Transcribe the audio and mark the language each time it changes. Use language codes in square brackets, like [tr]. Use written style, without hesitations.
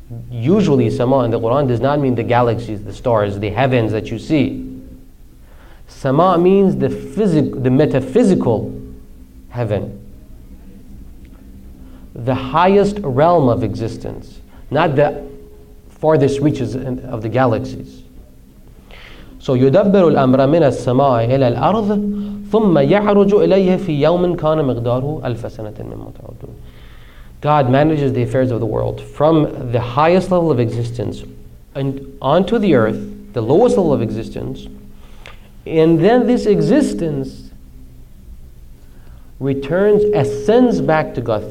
[en] Usually Sama in the Quran does not mean the galaxies, the stars, the heavens that you see. Sama means the metaphysical heaven, the highest realm of existence, not the farthest reaches of the galaxies. [ar] So يدبر الأمر من السماء إلى الأرض ثم يعرج إليه في يوم كان مقداره ألف سنة مما تعدون. [en] God manages the affairs of the world from the highest level of existence and onto the earth, the lowest level of existence, and then this existence returns, ascends back to God.